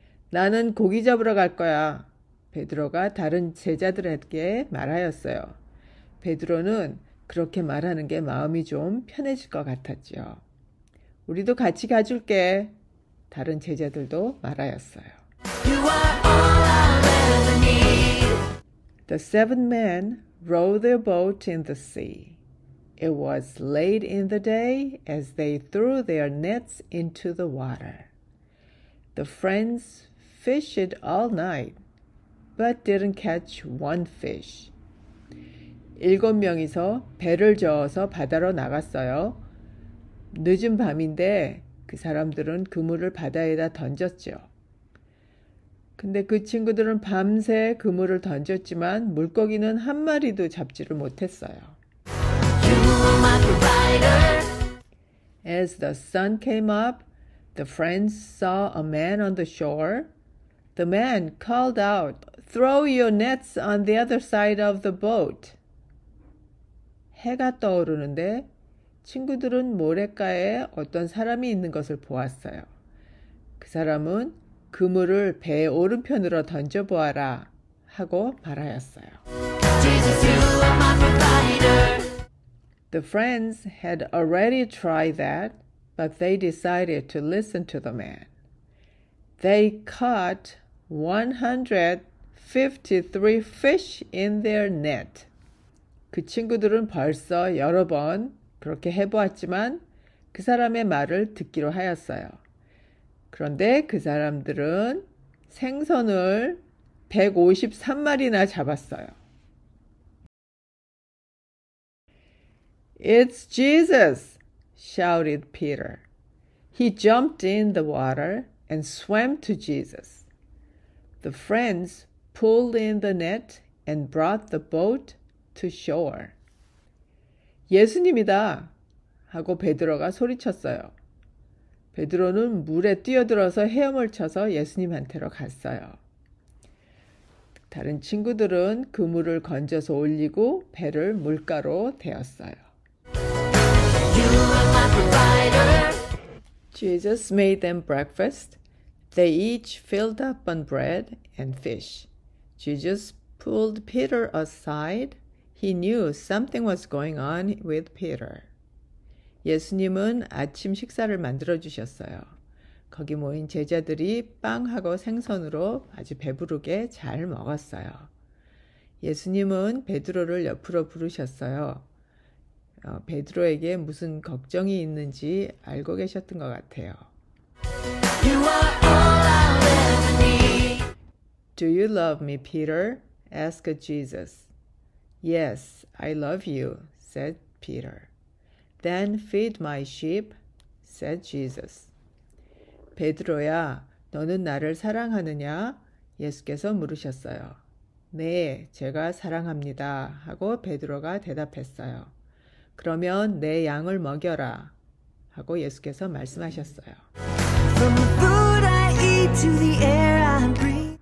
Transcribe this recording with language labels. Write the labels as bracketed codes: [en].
[ko] 나는 고기 잡으러 갈 거야, 베드로가 다른 제자들에게 말하였어요. 베드로는 그렇게 말하는 게 마음이 좀 편해질 것 같았죠. 우리도 같이 가줄게. 다른 제자들도 말하였어요. [en] You are all I'll ever need. The seven men rowed their boat in the sea. It was late in the day as they threw their nets into the water. The friends fished all night, but didn't catch one fish. [ko] 일곱 명이서 배를 저어서 바다로 나갔어요. 늦은 밤인데 그 사람들은 그물을 바다에다 던졌죠. 근데 그 친구들은 밤새 그물을 던졌지만 물고기는 한 마리도 잡지를 못했어요. [en] You are my provider. As the sun came up, the friends saw a man on the shore. The man called out, "Throw your nets on the other side of the boat." [ko] 해가 떠오르는데 친구들은 모래가에 어떤 사람이 있는 것을 보았어요. 그 사람은 그물을 배 오른편으로 던져보아라 하고 말하였어요. [en] Jesus, you are my provider. The friends had already tried that, but they decided to listen to the man. They caught 153 fish in their net. [ko] 그 친구들은 벌써 여러 번 그렇게 해보았지만 그 사람의 말을 듣기로 하였어요. 그런데 그 사람들은 생선을 153마리나 잡았어요. [en] It's Jesus! shouted Peter. He jumped in the water and swam to Jesus. The friends pulled in the net and brought the boat to shore. [ko] 예수님이다 하고 베드로가 소리쳤어요. 베드로는 물에 뛰어들어서 헤엄을 쳐서 예수님한테로 갔어요. 다른 친구들은 그물을 건져서 올리고 배를 물가로 대었어요. [en] You are my provider. Jesus made them breakfast. They each filled up on bread and fish. Jesus pulled Peter aside. He knew something was going on with Peter. [ko] 예수님은 아침 식사를 만들어 주셨어요. 거기 모인 제자들이 빵하고 생선으로 아주 배부르게 잘 먹었어요. 예수님은 베드로를 옆으로 부르셨어요. 베드로에게 무슨 걱정이 있는지 알고 계셨던 것 같아요. [en] You are all I ever need. Do you love me, Peter? Asked Jesus. Yes, I love you, said Peter. Then feed my sheep, said Jesus. [ko] 베드로야, 너는 나를 사랑하느냐? 예수께서 물으셨어요. 네, 제가 사랑합니다. 하고 베드로가 대답했어요. 그러면 내 양을 먹여라. 하고 예수께서 말씀하셨어요. [en] From the food I eat to the air I breathe.